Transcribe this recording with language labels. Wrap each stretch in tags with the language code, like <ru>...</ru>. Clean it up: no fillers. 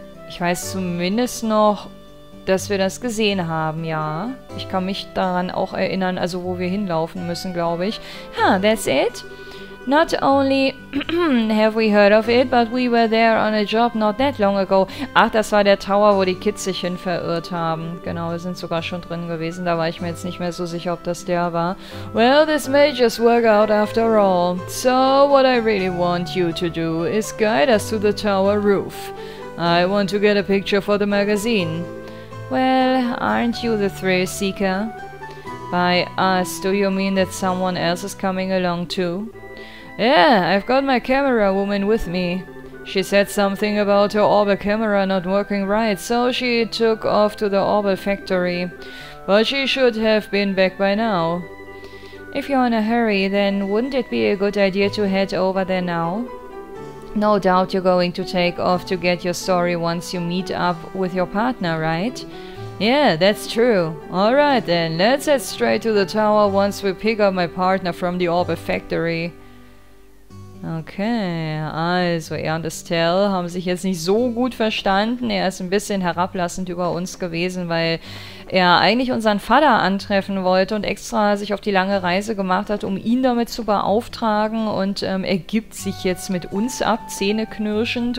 <de>Ich weiß zumindest noch, dass wir das gesehen haben, ja. Ich kann mich daran auch erinnern, also wo wir hinlaufen müssen, glaube ich.</de> <en>Huh, that's it? Not only have we heard of it, but we were there on a job not that long ago.</en> <de>Ach, das war der Tower, wo die Kids sich hin verirrt haben. Genau, wir sind sogar schon drin gewesen, da war ich mir jetzt nicht mehr so sicher, ob das der war.</de> <en>Well, this may just work out after all. So, what I really want you to do is guide us to the tower roof. I want to get a picture for the magazine. Well, aren't you the thrill seeker? By us, do you mean that someone else is coming along too? Yeah, I've got my camera woman with me. She said something about her orbital camera not working right, so she took off to the orbital factory. But she should have been back by now. If you're in a hurry, then wouldn't it be a good idea to head over there now? No doubt you're going to take off to get your story once you meet up with your partner, right? Yeah, that's true. Alright then, let's head straight to the tower once we pick up my partner from the orbital factory.</en> <de>Okay, also er und Estelle haben sich jetzt nicht so gut verstanden. Er ist ein bisschen herablassend über uns gewesen, weil er eigentlich unseren Vater antreffen wollte und extra sich auf die lange Reise gemacht hat, um ihn damit zu beauftragen. Und er gibt sich jetzt mit uns ab, zähneknirschend.</de>